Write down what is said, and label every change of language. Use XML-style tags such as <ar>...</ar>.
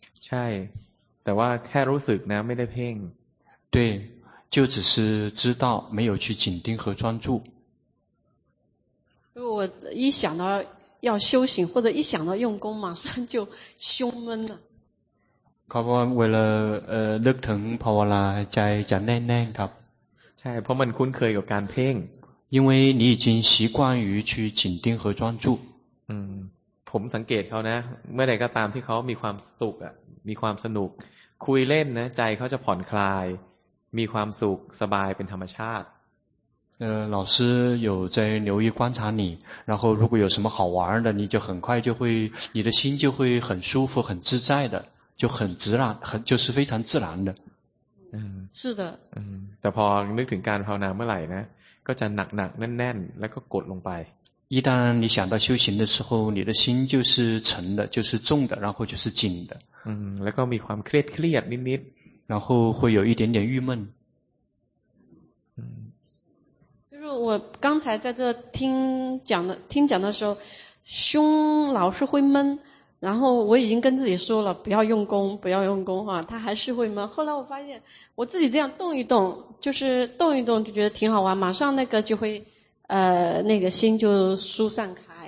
<th>ใช่แต่ว่าแค่รู้สึกนะไม่ได้เพ่ง</th> <zh>对就只是知道没有去紧盯和专注如果我一想到要修行或者一想到用功马上就胸闷了</zh> <th>ครับว่าเวลาลึกถึงภาวนาใจจะแน่นๆครับ ใช่เพราะมันคุ้นเคยกับการเพ่ง</th> <zh>因为你已经习惯于去紧盯和专注</zh> <th>ผมสังเกตเขานะเมื่อใดก็ตามที่เขามีความสุขอ่ะมีความสนุกคุยเล่นนะใจเขาจะผ่อนคลายมีความสุขสบายเป็นธรรมชาติ</th> <zh>老师有在留意观察你然后如果有什么好玩的你就很快就会你的心就会很舒服很自在的就很自然很就是非常自然的是的</zh> <th>แต่พอนึกถึงการภาวนาเมื่อไหร่นะก็จะหนักๆแน่นๆแล้วก็กดลงไป</th> <zh>一旦你想到修行的时候你的心就是沉的就是重的然后就是紧的</zh> <th>แล้วก็มีความเครียดๆนิด</th> <zh>ๆ然后会有一点点郁闷就是我刚才在这听讲的时候胸老是会闷然后我已经跟自己说了不要用功不要用功哈他还是会闷后来我发现我自己这样动一动就是动一动就觉得挺好玩马上那个就会那个心就疏散开</zh>